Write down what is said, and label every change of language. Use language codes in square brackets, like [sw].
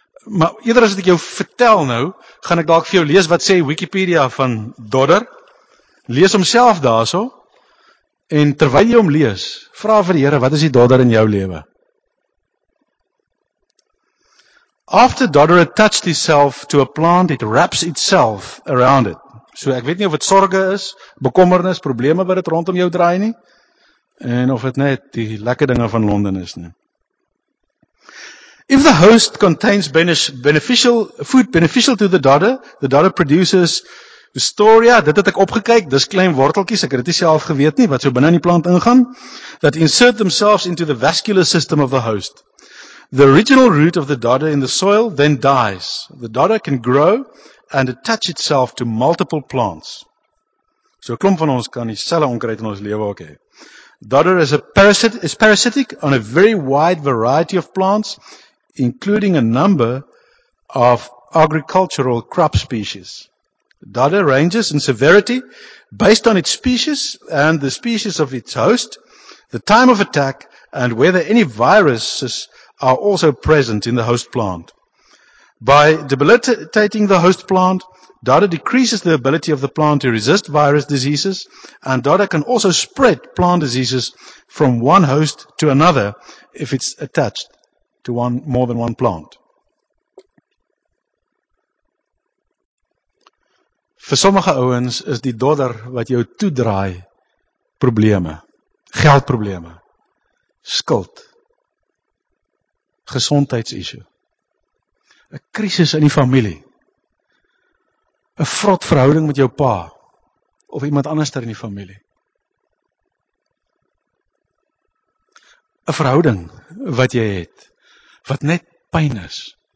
[af] Maar eerder as ek jou vertel nou, gaan ek dalk vir jou lees wat sê Wikipedia van Dodder. Lees homself daarso en terwyl jy hom lees, vra vir die Here, wat is die Dodder in jou lewe? [en] After Dodder attached itself to a plant, it wraps itself around it. [af] So ek weet nie of dit sorge is, bekommernis, probleme wat dit rondom jou draai nie, en of dit net die lekker dinge van Londen is nie. [en] If the host contains food beneficial to the dodder produces Wistoria, [af] dit het ek opgekyk, dis klein worteltjies, ek het dit self geweet nie, wat so binnen in die plant ingaan, [en] that insert themselves into the vascular system of the host. The original root of the dodder in the soil then dies. The dodder can grow and attach itself to multiple plants. [af] So klomp van ons kan die selle onkruid in ons lewe ook hê. [en] Dodder is parasitic on a very wide variety of plants, including a number of agricultural crop species. Dodder ranges in severity based on its species and the species of its host, the time of attack, and whether any viruses are also present in the host plant. By debilitating the host plant, DADA decreases the ability of the plant to resist virus diseases, and DADA can also spread plant diseases from one host to another if it's attached to one more than one plant. [af] Vir sommige ouens is die dodder wat jou toedraai probleme, geldprobleme, skuld, gesondheidsissue, 'n krisis in die familie, 'n vrot verhouding met jou pa of iemand anders ter in die familie, 'n verhouding wat jy het wat net pyn is.